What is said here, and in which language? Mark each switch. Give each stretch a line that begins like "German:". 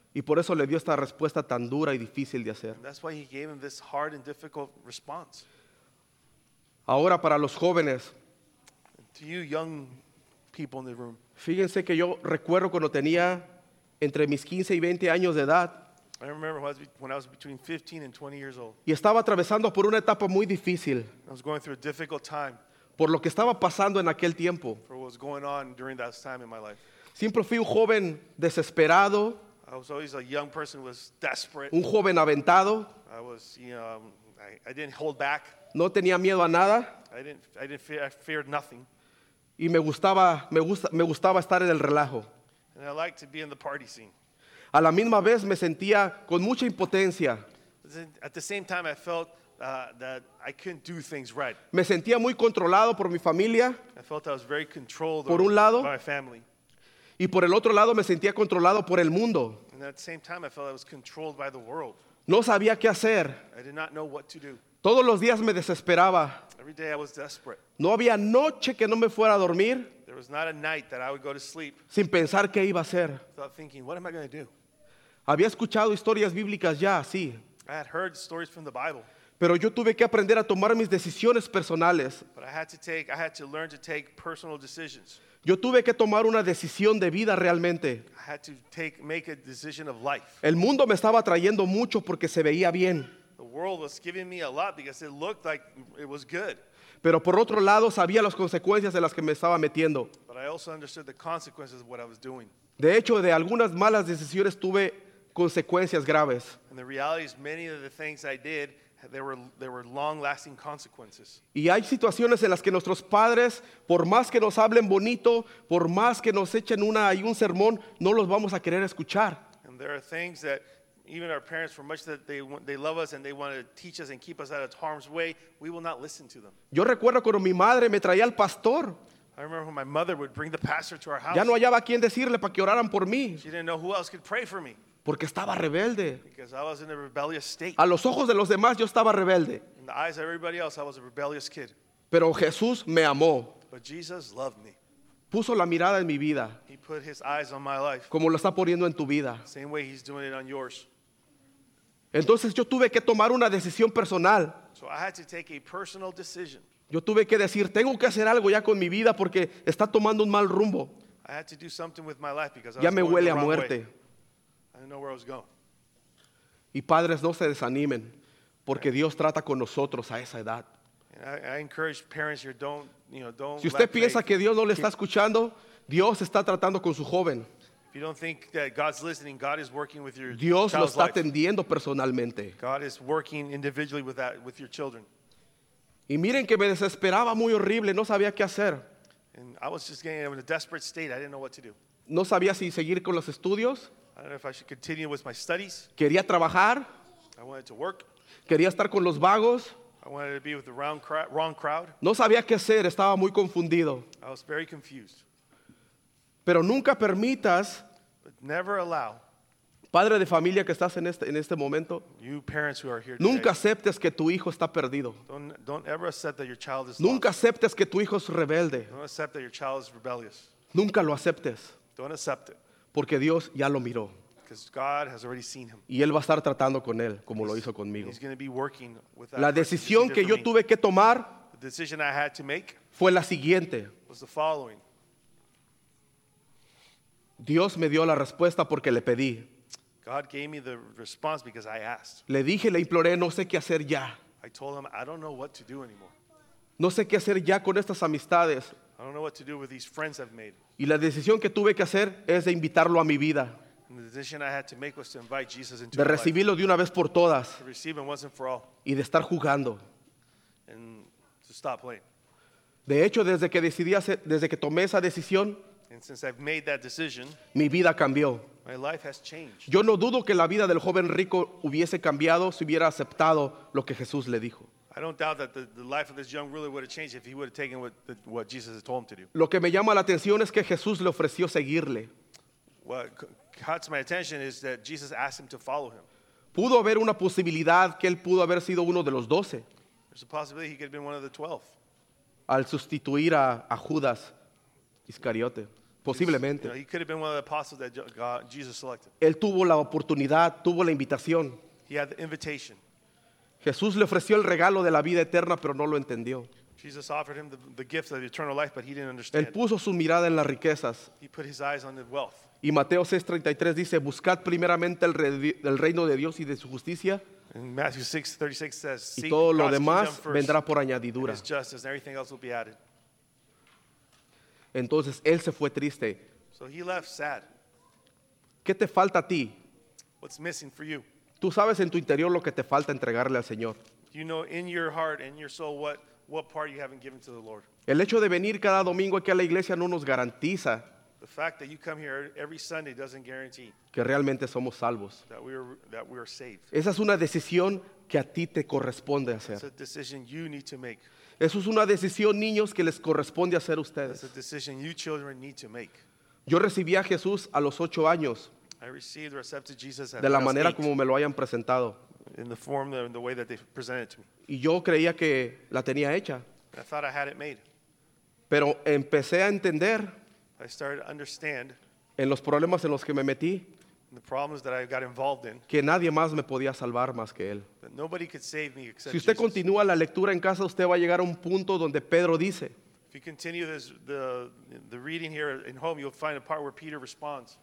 Spanish: Y por eso le dio esta respuesta tan dura y difícil de hacer.
English: And that's why he gave him this hard and difficult response.
Spanish: Ahora para los jóvenes.
English: To you young people in the room.
Spanish: Fíjense que yo recuerdo cuando tenía entre mis 15 y 20 años de edad.
English: I remember when I was between 15 and 20 years old.
Spanish: Y estaba atravesando por una etapa muy difícil.
English: I was going through a difficult time.
Spanish: Por lo que estaba pasando en aquel tiempo.
English: For what was going on during that time in my life.
Spanish: Siempre fui un joven desesperado.
English: I was always a young person who was desperate.
Spanish: Un joven aventado.
English: I was, you know, I didn't hold back.
Spanish: No tenía miedo a nada.
English: I feared nothing.
Spanish: Y me gustaba estar en el relajo.
English: And I liked to be in the party scene.
Spanish: A la misma vez me sentía con mucha impotencia.
English: At the same time I felt that I couldn't do things right.
Spanish: Me sentía muy controlado por mi familia.
English: I felt I was very controlled
Spanish: por un lado,
English: by my family.
Spanish: Y por el otro lado me sentía controlado por el mundo.
English: And at the same time I felt I was controlled by the world.
Spanish: No sabía qué hacer.
English: I did not know what to do.
Spanish: Todos los días me desesperaba.
English: Every day I was desperate.
Spanish: No había noche que no me fuera a dormir.
English: There was not a night that I would go to sleep.
Spanish: Sin pensar qué iba a hacer.
English: Without thinking, what am I going to do?
Spanish: Había escuchado historias bíblicas ya, sí.
English: I had heard stories from the Bible.
Spanish: Pero yo tuve que aprender a tomar mis decisiones personales.
English: But I had to learn to take personal decisions.
Spanish: Yo tuve que tomar una decisión de vida realmente.
English: I had to make a decision of life.
Spanish: El mundo me estaba trayendo mucho porque se veía bien.
English: The world was giving me a lot because it looked like it was good.
Spanish: Pero por otro lado sabía las consecuencias de las que me estaba metiendo.
English: But I also understood the consequences of what I was doing.
Spanish: De hecho, de algunas malas decisiones tuve consecuencias graves.
English: And the reality is many of the things I did, there were long-lasting consequences.
Spanish: Y hay situaciones en las que nuestros padres, por más que nos hablen bonito, por más que nos echen un sermón, no los vamos a querer escuchar.
English: And there are things that even our parents, for much that they love us and they want to teach us and keep us out of harm's way, we will not listen to them.
Spanish: Yo recuerdo cuando mi madre me traía al pastor.
English: I remember when my mother would bring the pastor to our house.
Spanish: Ya no hallaba a quien decirle para que oraran por mí.
English: She didn't know who else could pray for me.
Spanish: Porque estaba rebelde.
English: Because I was in a rebellious state.
Spanish: A los ojos de los demás yo estaba rebelde.
English: In the eyes of everybody else, I was a rebellious kid.
Spanish: Pero Jesús me amó.
English: But Jesus loved me.
Spanish: Puso la mirada en mi vida.
English: He put his eyes on my life.
Spanish: Como lo está poniendo en tu vida.
English: Same way he's doing it on yours.
Spanish: Entonces yo tuve que tomar una decisión personal.
English: So I had to take a personal decision.
Spanish: Yo tuve que decir, tengo que hacer algo ya con mi vida porque está tomando un mal rumbo.
English: I had to do something with my life because
Spanish: ya me huele a muerte.
English: I didn't know where I was going.
Spanish: Y padres, no se desanimen porque
English: right.
Spanish: Dios trata con nosotros a esa edad.
English: I encourage parents here, don't, you know, don't
Spanish: si usted piensa
English: faith,
Spanish: que Dios no le está escuchando, Dios está tratando con su joven.
English: If you don't think that God's listening, God is working with your
Spanish: Dios
English: child's
Spanish: lo está
English: life.
Spanish: Atendiendo personalmente.
English: God is working individually with that, with your children.
Spanish: Y miren que me desesperaba muy horrible, no sabía qué hacer.
English: And I was just getting in a desperate state, I didn't know what to do.
Spanish: No sabía si seguir con los estudios.
English: I don't know if I should continue with my studies.
Spanish: Quería trabajar.
English: I wanted to work.
Spanish: Quería estar con los vagos.
English: I wanted to be with the wrong crowd.
Spanish: No sabía qué hacer, estaba muy confundido.
English: I was very confused.
Spanish: Pero nunca permitas,
English: but never allow,
Spanish: padre de familia que estás en este momento,
English: you parents who are here today,
Spanish: nunca aceptes que tu hijo está perdido.
English: Don't ever accept that your child is lost.
Spanish: Nunca aceptes que tu hijo es rebelde.
English: Don't accept that your child is rebellious.
Spanish: Nunca lo aceptes.
English: Don't accept it.
Spanish: Porque Dios ya lo miró.
English: Because God has already seen him.
Spanish: Y él va a estar tratando con él como lo hizo conmigo.
English: He's going to be working with that.
Spanish: La decisión que yo tuve que tomar,
English: the decision I had to make,
Spanish: fue la siguiente.
English: Was the following.
Spanish: Dios me dio la respuesta porque le pedí.
English: God gave me the response because I asked.
Spanish: Le dije, le imploré, no sé qué hacer ya.
English: I told him, I don't know what to do anymore.
Spanish: No sé qué hacer ya con estas amistades.
English: I don't know what to do with these friends I've made.
Spanish: Y la decisión que tuve que hacer es de invitarlo a mi vida.
English: And the decision I had to make was to invite Jesus into my life.
Spanish: De recibirlo de una vez por todas.
English: To receive him once and for all.
Spanish: Y de estar jugando.
English: And to stop playing.
Spanish: De hecho, desde que tomé esa decisión,
English: and since I've made that decision,
Spanish: mi vida cambió.
English: My life has changed.
Spanish: Yo no dudo que la vida del joven rico hubiese cambiado si hubiera aceptado lo que Jesús le dijo.
English: I don't doubt that the life of this young ruler would have changed if he would have taken what Jesus had told him to do.
Spanish: Lo que me llama la atención es que Jesús le ofreció seguirle.
English: What caught my attention is that Jesus asked him to follow him.
Spanish: Pudo haber una posibilidad que él pudo haber sido uno de los 12.
English: There's a possibility he could have been one of the 12.
Spanish: Al sustituir a Judas Iscariote. Posiblemente.
English: You know, he could have been one of the apostles that God, Jesus selected.
Spanish: Él tuvo la oportunidad, tuvo la invitación.
English: He had the invitation.
Spanish: Jesús le ofreció el regalo de la vida eterna, pero no lo entendió.
English: Jesus offered him the gift of the eternal life, but he didn't understand.
Spanish: Él puso su mirada en las riquezas.
English: He put his eyes on the wealth.
Spanish: Y Mateo 6:33 dice, buscad primeramente el reino de Dios y de su justicia.
English: And Matthew 6:36 says,
Spanish: y todo lo
English: God's
Spanish: demás
English: first,
Spanish: vendrá por añadidura.
English: And his justice, and everything else will be added.
Spanish: Entonces él se fue triste.
English: So he left sad.
Spanish: ¿Qué te falta a ti?
English: What's missing for you?
Spanish: Tú sabes en tu interior lo que te falta entregarle al Señor.
English: You know in your heart and your soul what part you haven't given to the Lord.
Spanish: El hecho de venir cada domingo aquí a la iglesia no nos garantiza.
English: The fact that you come here every Sunday doesn't guarantee
Spanish: que realmente somos salvos.
English: That we are saved.
Spanish: Esa es una decisión que a ti te corresponde hacer.
English: That's a decision you need to make.
Spanish: Eso es una decisión, niños, que les corresponde hacer a ustedes.
English: That's a decision you children need to make.
Spanish: Yo recibí a Jesús a los 8 años.
English: I received or accepted Jesus
Spanish: de la manera como me lo hayan presentado.
English: In the form of the way that they presented it to me.
Spanish: Y yo creía que la tenía hecha.
English: I thought I had it made.
Spanish: Pero empecé a entender.
English: I started to understand.
Spanish: En los problemas en los que me metí.
English: The problems that I got involved in.
Spanish: Que nadie más me podía salvar más que él.
English: That nobody could save me except
Spanish: Jesus. Si usted continúa la lectura en casa, usted va a llegar a un punto donde Pedro dice.
English: If you continue this, the reading here in home, you'll find a part where Peter responds.